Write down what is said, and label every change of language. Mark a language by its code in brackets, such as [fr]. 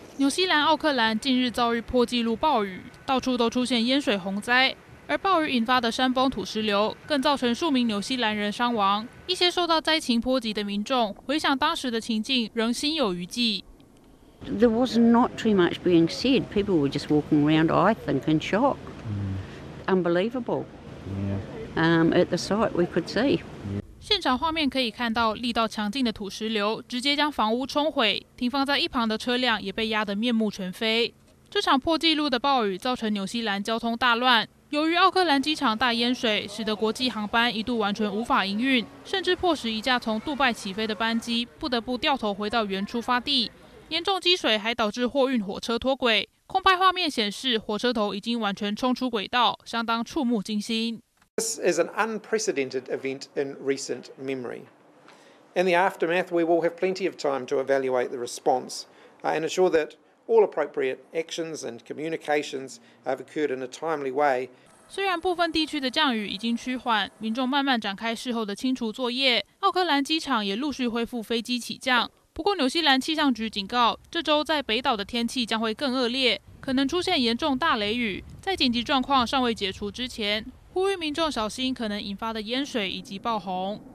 [zh] 纽西兰奥克兰近日遭遇破纪录暴雨，到处都出现淹水洪灾，而暴雨引发的山崩土石流更造成数名纽西兰人伤亡。一些受到灾情波及的民众回想当时的情境仍心有余悸。 [en] There was not too much being said. People were just walking around, I think, in shock. Unbelievable. At the sight we could see. [zh] 现场画面可以看到，力道强劲的土石流直接将房屋冲毁，停放在一旁的车辆也被压得面目全非。这场破纪录的暴雨造成纽西兰交通大乱。由于奥克兰机场大淹水，使得国际航班一度完全无法营运，甚至迫使一架从杜拜起飞的班机不得不掉头回到原出发地。严重积水还导致货运火车脱轨，空拍画面显示火车头已经完全冲出轨道，相当触目惊心。 [en] This is an unprecedented event in recent memory. In the aftermath, we will have plenty of time to evaluate the response and ensure that all appropriate actions and communications have occurred in a timely way. [zh] 虽然部分地区的降雨已经趋缓，民众慢慢展开事后的清除作业，奥克兰机场也陆续恢复飞机起降。不过，纽西兰气象局警告，这周在北岛的天气将会更恶劣，可能出现严重大雷雨。在紧急状况尚未解除之前，呼吁民众小心可能引发的淹水以及爆洪。